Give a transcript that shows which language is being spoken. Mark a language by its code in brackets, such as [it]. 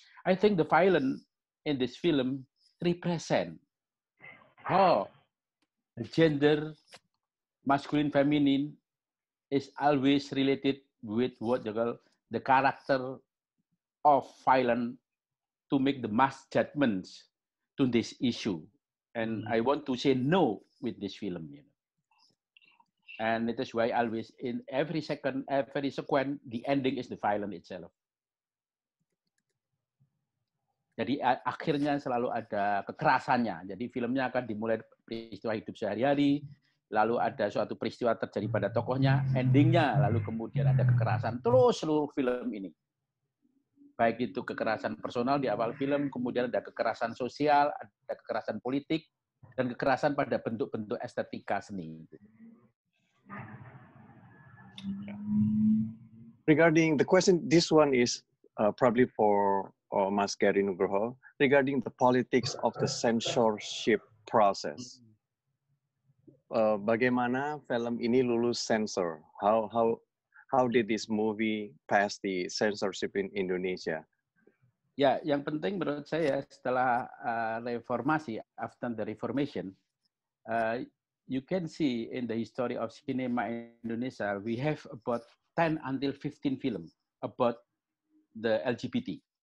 [en] I think the violence in this film represent how gender, masculine, feminine, is always related with what you call the character of violence to make the mass judgments to this issue. And I want to say no with this film. You know? And it is why always in every second, every sequence, the ending is the violence itself. [id] Jadi akhirnya selalu ada kekerasannya. Jadi filmnya akan dimulai peristiwa hidup sehari-hari, lalu ada suatu peristiwa terjadi pada tokohnya, endingnya, lalu kemudian ada kekerasan terus seluruh film ini. Baik itu kekerasan personal di awal film, kemudian ada kekerasan sosial, ada kekerasan politik, dan kekerasan pada bentuk-bentuk estetika seni. [en] Regarding the question, this one is probably for Mas Garin Nugroho, regarding the politics of the censorship process. [id] Bagaimana film ini lulus sensor? [en] How did this movie pass the censorship in Indonesia? Ya, yang penting menurut saya setelah reformasi, after the reformation, you can see in the history of cinema in Indonesia, we have about 10 until 15 film about the LGBT.